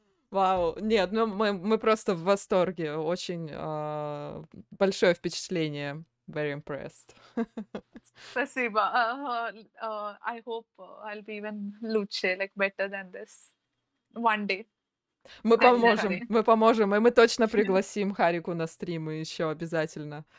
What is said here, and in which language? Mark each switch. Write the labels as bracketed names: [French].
[Russian] Вау, нет, ну мы просто в восторге, очень большое впечатление. [English] Very impressed. [Russian] Спасибо. [English] I hope I'll be even [Russian] лучше, [English] like better than this, one day. [Russian] Мы поможем, мы поможем, и мы точно пригласим Харику на стрим еще обязательно.